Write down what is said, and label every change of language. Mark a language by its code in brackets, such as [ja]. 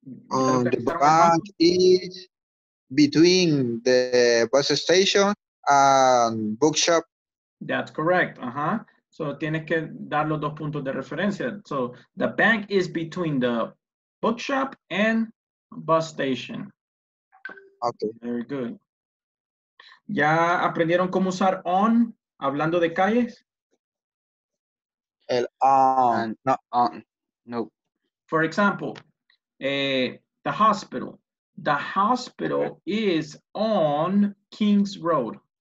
[en] The bank is between the bus station and bookshop. That's correct. Uh-huh. [es] So, tienes que dar los dos puntos de referencia. [en] So, the bank is between the bookshop and bus station. Okay. Very good. [es] ¿Ya aprendieron cómo usar on hablando de calles? El on. No, on. No. [en] For example, the hospital. The hospital is on King's Road.